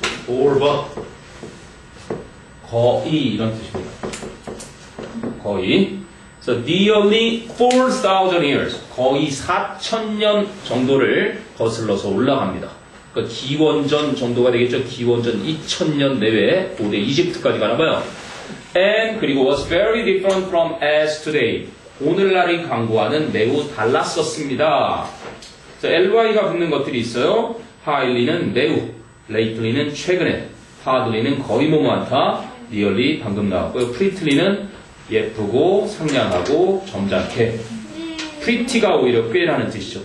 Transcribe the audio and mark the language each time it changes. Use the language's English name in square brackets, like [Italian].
[Korean] all but 거의 이런 뜻입니다. 거의. [English] So nearly 4,000 years. [Korean] 거의 4,000년 정도를 거슬러서 올라갑니다. 그러니까 기원전 정도가 되겠죠. 기원전 2,000년 내외에 고대 이집트까지 가나봐요. [English] And [Korean] 그리고 [English] was very different from as today. [Korean] 오늘날의 광고와는 매우 달랐었습니다. So ly가 붙는 것들이 있어요. highly는 매우, lately는 최근에, hardly는 거의 뭐 많다, nearly 방금 나왔고요. pretty는 예쁘고 상냥하고 점잖게. 프리티가 오히려 꽤라는 뜻이죠.